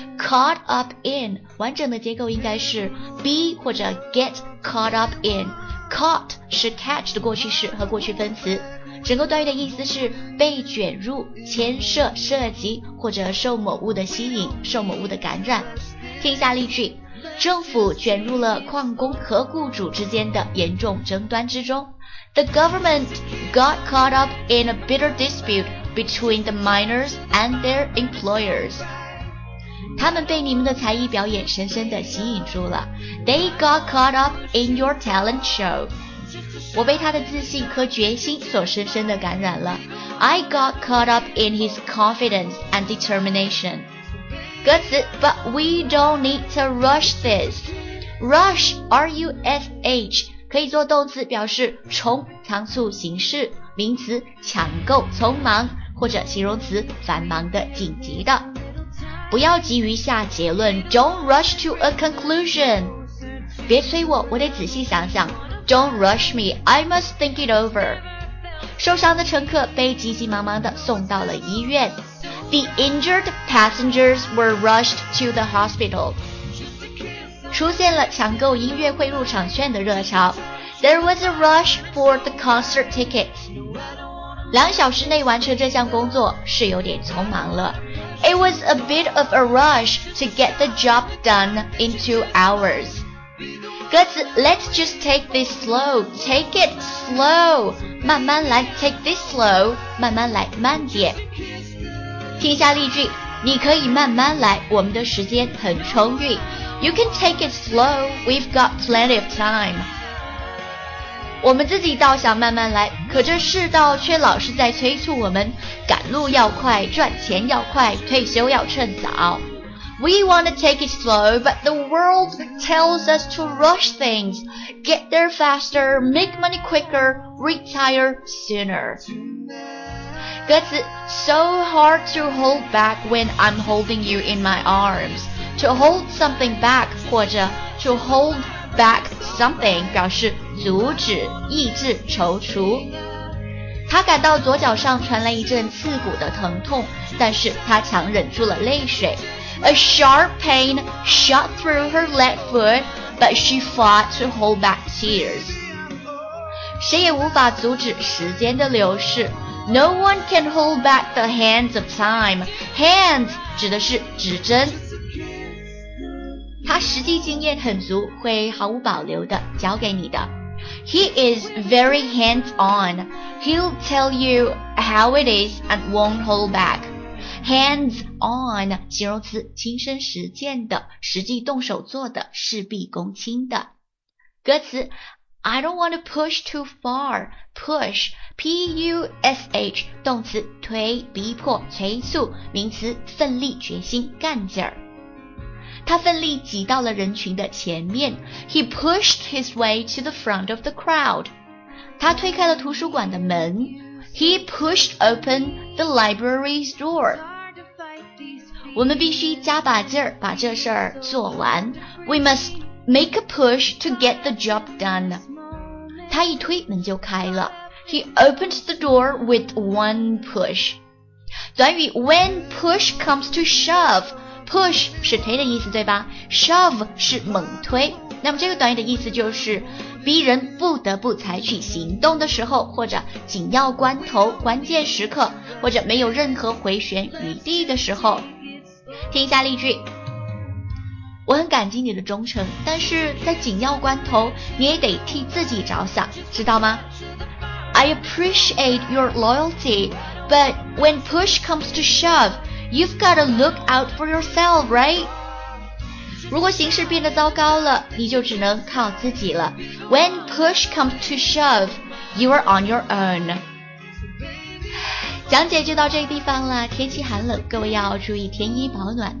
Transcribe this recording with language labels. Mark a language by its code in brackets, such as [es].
[zh] caught up in， 完整的结构应该是 be 或者 get caught up in。 caught 是 catch 的过去式和过去分词。整个短语的意思是被卷入、牵涉、涉及，或者受某物的吸引、受某物的感染。听一下例句，政府卷入了矿工和雇主之间的严重争端之中。 [en] The government got caught up in a bitter dispute between the miners and their employers. [zh] 他们被你们的才艺表演深深地吸引住了。 [en] They got caught up in your talent show. [zh] 我被他的自信和决心所深深地感染了。 [en] I got caught up in his confidence and determination. [zh] 歌词 [en] But we don't need to rush this. [zh] Rush, R-U-S-H, 可以做动词表示冲、仓促行事，名词抢购、匆忙，或者形容词繁忙的、紧急的。不要急于下结论 [en] Don't rush to a conclusion. [zh] 别催我，我得仔细想想 [en] Don't rush me, I must think it over. [zh] 受伤的乘客被急急忙忙地送到了医院。 [en] The injured passengers were rushed to the hospital. [zh] 出现了抢购音乐会入场券的热潮。 [en] There was a rush for the concert tickets. [zh] 两小时内完成这项工作是有点匆忙了。 [en] It was a bit of a rush to get the job done in 2 hours. [zh] 歌词 [en] Let's just take this slow. Take it slow. [zh] 慢慢来 [en] take this slow. [zh] 慢慢来慢点。听下例句，你可以慢慢来，我们的时间很充裕。 [en] You can take it slow, we've got plenty of time. [zh] 我们自己倒想慢慢来，可这世道却老是在催促我们，赶路要快，赚钱要快，退休要趁早。 [en] We want to take it slow, but the world tells us to rush things. Get there faster, make money quicker, retire sooner. [zh] 歌词 [en] So hard to hold back when I'm holding you in my arms. To hold something back [zh] 或者 [en] to hold back something [zh] 表示阻止、抑制、踌躇。他感到左脚上传来一阵刺骨的疼痛，但是他强忍住了泪水。 [en] A sharp pain shot through her left foot, but she fought to hold back tears. [zh] 谁也无法阻止时间的流逝。 [en] No one can hold back the hands of time. [zh] Hands 指的是指针。他实际经验很足，会毫无保留地教给你的。 [en] He is very hands-on. He'll tell you how it is and won't hold back. [zh] Hands-on 形容词，亲身实践的，实际动手做的，事必躬亲的。歌词 [en] I don't want to push too far. [zh] Push, P-U-S-H, 动词推、逼迫、催促，名词奋力、决心、干劲儿。他奋力挤到了人群的前面。 [en] He pushed his way to the front of the crowd. 他推开了图书馆的门。 He pushed open the library's door. [zh] 我们必须加把劲儿把这事儿做完。 [en] We must make a push to get the job done. [zh] 他一推门就开了。 [en] He opened the door with one push. [zh] 短语 [en] when push comes to shove. [zh] Push 是推的意思对吧？ Shove 是猛推。那么这个短语的意思就是逼人不得不采取行动的时候，或者紧要关头、关键时刻，或者没有任何回旋余地的时候。听一下例句。我很感激你的忠诚，但是在紧要关头你也得替自己着想，知道吗？ [en] I appreciate your loyalty, but when push comes to shove, you've got to look out for yourself, right? [zh] 如果形势变得糟糕了，你就只能靠自己了。 [en] When push comes to shove, you are on your own. [zh] 讲解就到这个地方了，天气寒冷，各位要注意添衣保暖。